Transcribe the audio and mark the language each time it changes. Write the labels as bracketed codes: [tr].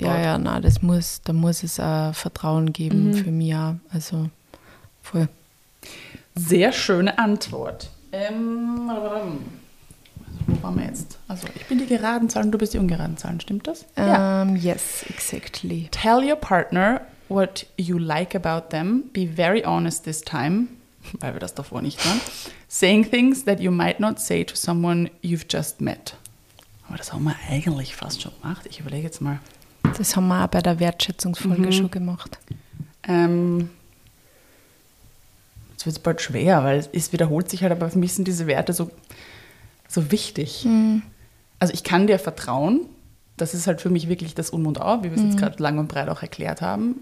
[de] Ja, ja, nein, das muss, da muss es Vertrauen geben für mich. Also voll. Sehr schöne Antwort. Also, wo waren wir jetzt? Also, ich bin die geraden Zahlen, du bist die ungeraden Zahlen, stimmt das? [en] Yes, exactly. Tell your partner what you like about them. Be very honest this time, [de] weil wir das davor nicht waren. [en] Saying things that you might not say to someone you've just met. [de] Aber das haben wir eigentlich fast schon gemacht. Ich überlege jetzt mal. Das haben wir auch bei der Wertschätzungsfolge schon gemacht. Es wird bald schwer, weil es wiederholt sich halt, aber für mich sind diese Werte so, so wichtig. Mm. Also ich kann dir vertrauen, das ist halt für mich wirklich das Um und Auf, wie wir es jetzt gerade lang und breit auch erklärt haben.